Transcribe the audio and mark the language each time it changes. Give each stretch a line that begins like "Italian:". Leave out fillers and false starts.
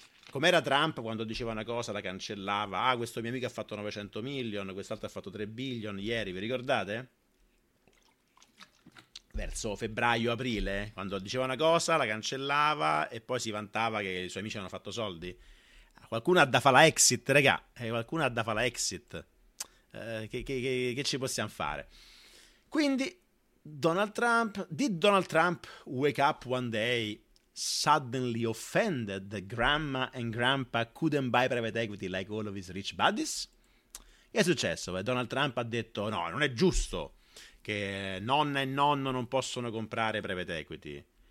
Italian: Com'era Trump quando diceva una cosa, la cancellava, ah, questo mio amico ha fatto
English: 900 million,
Italian: quest'altro ha fatto
English: 3 billion
Italian: ieri, vi ricordate? Verso febbraio-aprile, quando diceva una cosa, la cancellava e poi si vantava che i suoi amici hanno fatto soldi. Qualcuno ha da fare la exit, regà. Qualcuno ha da fare la exit. Che ci possiamo fare? Quindi,
English: Donald Trump, did Donald Trump wake up one day suddenly offended that grandma and grandpa couldn't buy private equity like all of his rich buddies?
Italian: Che è successo? Donald Trump ha detto, no, non è giusto che nonna e nonno non possono comprare private equity.